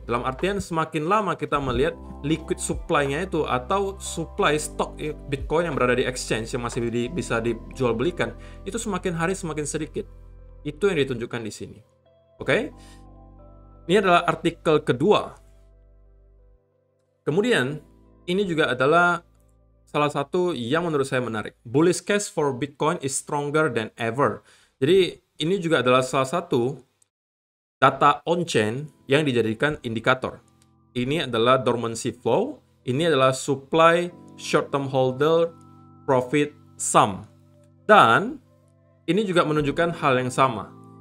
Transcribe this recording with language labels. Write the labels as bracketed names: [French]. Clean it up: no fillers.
[Indonesian] Dalam artian semakin lama kita melihat liquid supply-nya itu atau supply stok Bitcoin yang berada di exchange yang masih bisa dijual belikan, itu semakin hari semakin sedikit. Itu yang ditunjukkan di sini. Oke? Ini adalah artikel kedua. Kemudian, ini juga adalah salah satu yang menurut saya menarik. [English] Bullish case for Bitcoin is stronger than ever. [Indonesian] Jadi, ini juga adalah salah satu data on-chain yang dijadikan indikator. Ini adalah dormancy flow. Ini adalah supply short-term holder profit sum. Dan ini juga menunjukkan hal yang sama.